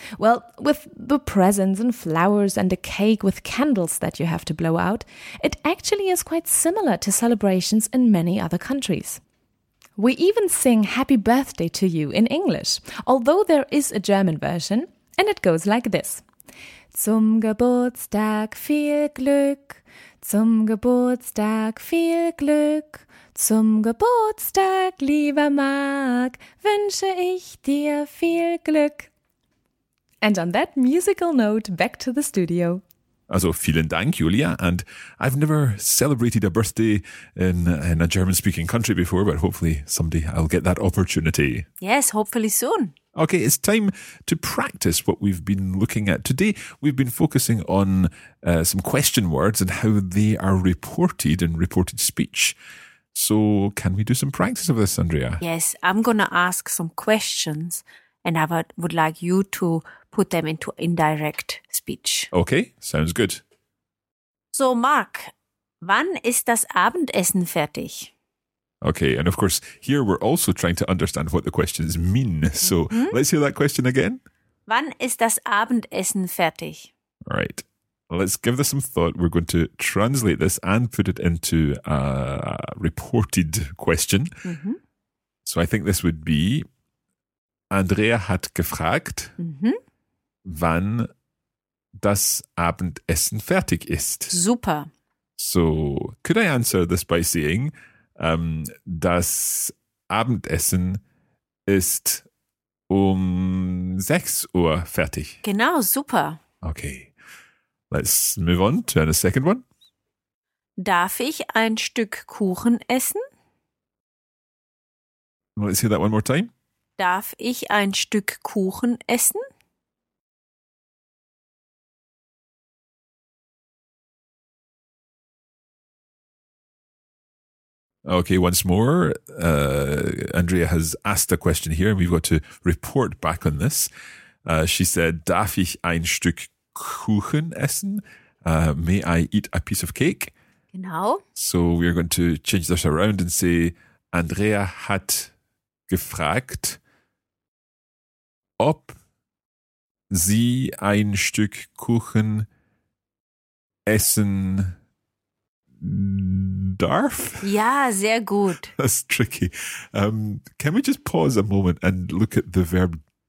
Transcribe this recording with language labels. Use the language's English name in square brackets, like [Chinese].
[English] Well, with the presents and flowers and a cake with candles that you have to blow out, it actually is quite similar to celebrations in many other countries. We even sing Happy Birthday to you in English, although there is a German version, and it goes like this. [German] Zum Geburtstag viel Glück, zum Geburtstag viel Glück. Zum Geburtstag, lieber Marc, wünsche ich dir viel Glück. [English] And on that musical note, back to the studio. [German] Also, vielen Dank, Julia. [English] And I've never celebrated a birthday in a German-speaking country before, but hopefully someday I'll get that opportunity. Yes, hopefully soon. Okay, it's time to practice what we've been looking at today. We've been focusing on some question words and how they are reported in reported speech. So can we do some practice of this, Andrea? Yes, I'm going to ask some questions and I would like you to put them into indirect speech. Okay, sounds good. [German] So, Mark, wann ist das Abendessen fertig? [English] Okay, and of course, here we're also trying to understand what the questions mean. So, let's hear that question again. [German] Wann ist das Abendessen fertig? [English] All right. Let's give this some thought. We're going to translate this and put it into a reported question. Mm-hmm. So I think this would be, [German] Andrea hat gefragt, wann das Abendessen fertig ist. Super. [English] So could I answer this by saying, [German] das Abendessen ist 6 Uhr fertig. Genau, super. [English] Okay. Let's move on to the second one. [German] Darf ich ein Stück Kuchen essen? [English] Let's hear that one more time. [German] Darf ich ein Stück Kuchen essen? [English] Okay, once more. Andrea has asked a question here and we've got to report back on this. She said, [German] darf ich ein Stück Kuchen essen? [English] May I eat a piece of cake? [German] Genau. [English] So we're going to change this around and say, [German] Andrea hat gefragt, ob sie ein Stück Kuchen essen darf? Ja, sehr gut. [English] That's tricky. Can we just pause a moment and look at the verb?